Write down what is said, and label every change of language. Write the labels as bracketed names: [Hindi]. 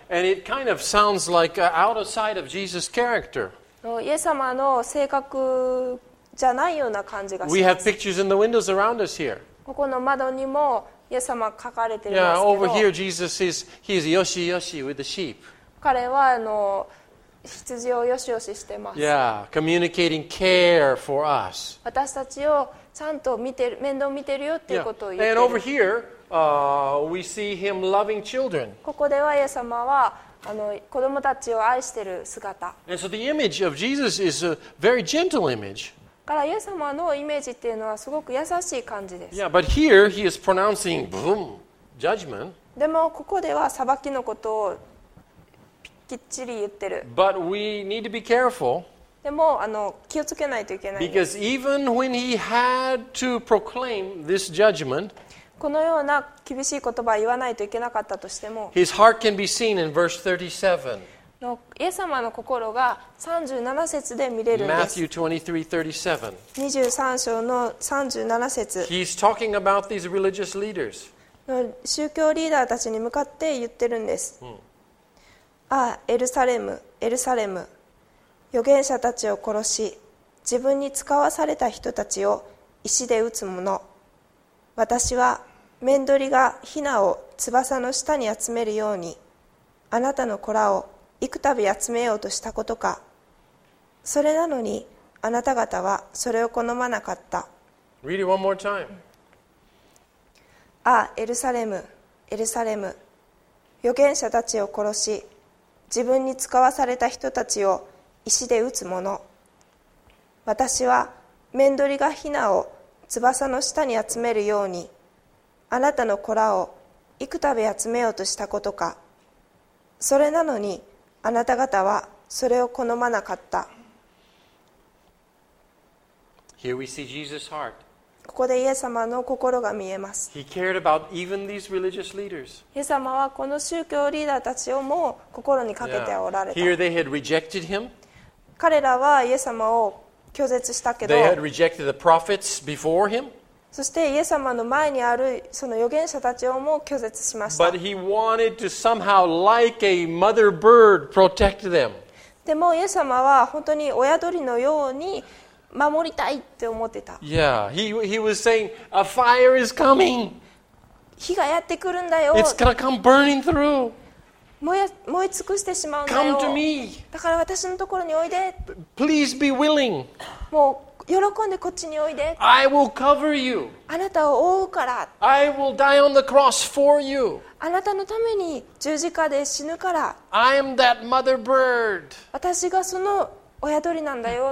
[English] And it kind of sounds like outside of Jesus' character. [Japanese] イエス様の性格じゃないような感じがします。 [English] We have pictures in the windows around us here. [Japanese] ここの窓にもイエス様書かれてますけど。Yeah. [English] Over here, Jesus is he's [Japanese] Yoshi Yoshi [English] with the sheep. [Japanese] 彼は羊をよしよししてます。 [English] Yeah, communicating care for us. [Japanese] 私たちをちゃんと見てる、面倒見てるよっていうことを言って [English] る。And over here, we see him loving children. [Japanese] ここではイエス様は子供たちを愛してる姿。 [English] And so the image of Jesus is a very gentle image. [Japanese] からイエス様のイメージっていうのはすごく優しい感じです。 [English] Yeah, but here he is pronouncing boom judgment. [Japanese] でもここでは裁きのことをきっちり言ってる。 [English] But we need to be careful. [Japanese] でも気をつけないといけない。 [English] Because even when he had to proclaim this judgment, [Japanese] このような厳しい言葉を言わないといけなかったとしても、 [English] his heart can be seen in verse 37. [Japanese] のイエス様の心が37節で見れるんです。 [English] Matthew 23:37. [Japanese] 23章の37節。 [English] He's talking about these religious leaders. [Japanese] 宗教リーダーたちに向かって言ってるんです。ああエルサレムエルサレム、預言者たちを殺し自分に使わされた人たちを石で打つ者、私は面取りがひなを翼の下に集めるようにあなたの子らを幾度集めようとしたことか。それなのにあなた方はそれを好まなかった。 [English] Read it one more time. [Japanese] ああエルサレムエルサレム、預言者たちを殺し自分に使わされた人たちを石で打つ者、私は面取りがひなを翼の下に集めるようにあなたの子らを幾度集めようとしたことか。それなのにあなた方はそれを好まなかった。 [English] Here we see Jesus' heart. [Japanese] ここでイエス様の心が見えます。 [English] He cared about even these religious leaders. [Japanese] イエス様はこの宗教リーダーたちをも心にかけておられた。 Yeah. [English] Here they had rejected him. [Japanese] 彼らはイエス様を拒絶したけど、 [English] They had rejected the prophets before him. [Japanese] そしてイエス様の前にあるその預言者たちをも拒絶しました。 [English] But he wanted to somehow, like a mother bird, protect them. [Japanese] でもイエス様は本当に親鳥のように守りたいって思ってた。 [English] Yeah, he was saying, a fire is coming. [Japanese] 火がやってくるんだよ。 [English] It's gonna come burning through. [Japanese] 燃え尽くしてしまうんだよ。 [English] Come to me. [Japanese] だから私のところにおいで。 [English] Please be willing. [Japanese] もう喜んでこっちにおいで。 [English] I will cover you. [Japanese] あなたを覆うから。 [English] I will die on the cross for you. [Japanese] あなたのために十字架で死ぬから。 [English] I am that mother bird. [Japanese] 私がその親鳥なんだよ。